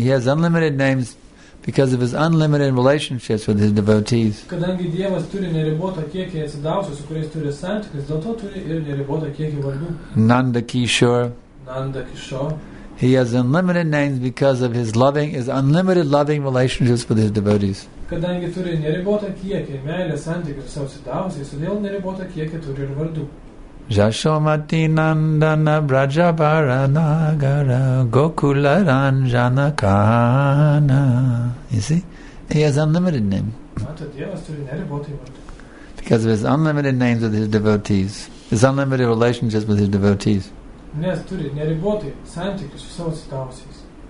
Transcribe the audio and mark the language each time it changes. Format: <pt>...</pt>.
<en>He has unlimited names because of his unlimited relationships with his devotees.</en> <sa>Nanda Kishore.</sa> <en>He has unlimited names because of his unlimited loving relationships with his devotees.</en> <lt>Kadangi turi neribotą kiekį meilės santykių su savo sudavusiais, todėl neribotą kiekį turi ir vardų.</lt> <sa>Jashomati Nandana Brajabara Nagara Gokula Ranjana Kahana.</sa> <en>You see? He has unlimited name.</en> <lt>Mato, Dievas turi neribotą vardų.</lt> <en>Because of his unlimited names with his devotees. His unlimited relationships with his devotees.</en> <lt>Nes turi neribotą santykių su savo sudavusiais.</lt>